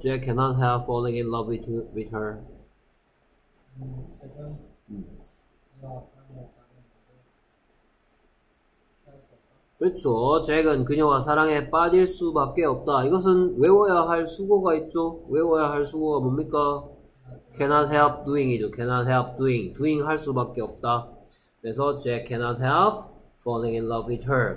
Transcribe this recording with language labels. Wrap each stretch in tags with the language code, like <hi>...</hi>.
<en>Jack cannot help falling in love with her</en> <ko>그렇죠. 잭은 그녀와 사랑에 빠질 수밖에 없다. 이것은 외워야 할 수고가 있죠. 외워야 할 수고가 뭡니까?</ko> <en>Cannot help doing이죠. Cannot help doing.</en> <ko>Doing 할 수밖에 없다. 그래서 잭</ko> <en>cannot help falling in love with her.</en>